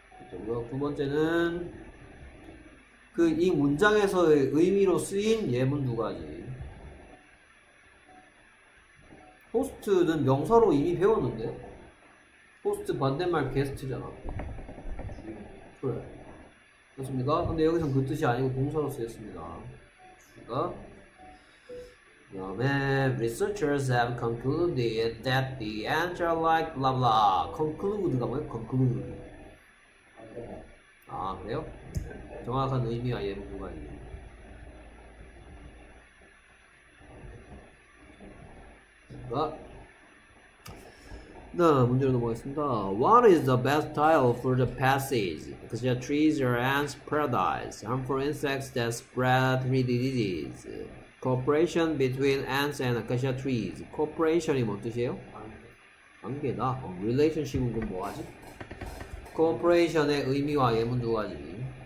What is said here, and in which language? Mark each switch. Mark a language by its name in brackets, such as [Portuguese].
[Korean] 그리고 두 번째는 그 이 문장에서의 의미로 쓰인 예문 두 가지. 호스트는 명사로 이미 배웠는데. 호스트 반대말 게스트잖아. 그래. 맞습니까? 근데 여기서는 그 뜻이 아니고 동사로 쓰였습니다. 그러니까 그다음에 [English] researchers have concluded that the ants are like blah blah. [Korean] conclude가 뭐예요? conclude. 아 그래요? 정확한 의미와 예문 두 가지. 그러니까. 네, 문제로 넘어가겠습니다. [English] What is the best tile for the passage? Because the trees are ants' paradise, harmful insects that spread three diseases. Cooperation between ants and acacia trees. Cooperation이 [Korean] 뭔 뜻이에요? 관계다. Relationship은 그럼 뭐하지? Cooperation의 의미와 예문 두 가지.